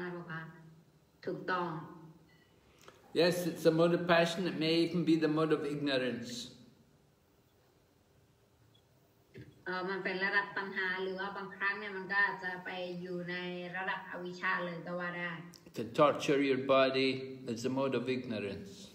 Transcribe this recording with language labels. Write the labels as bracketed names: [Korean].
[Thai] คำถามก็คือถ้าเกิดว่าบุคคลเนี่ยปฏิบัติความสมถะมากเกินไปแบบไม่มีความจำเป็นเนี่ยอันนั้นถือว่าอยู่ในระดับตัณหาหรือไม่ใช่เป็นมรรคผลถูกต้อง [English] Yes, it's a mode of passion. It may even be the mode of ignorance. [Thai] มันเป็นระดับตัณหาหรือว่าบางครั้งเนี่ยมันก็จะไปอยู่ในระดับอวิชชาเลยก็ว่าได้ [English] Can torture your body as a mode of ignorance.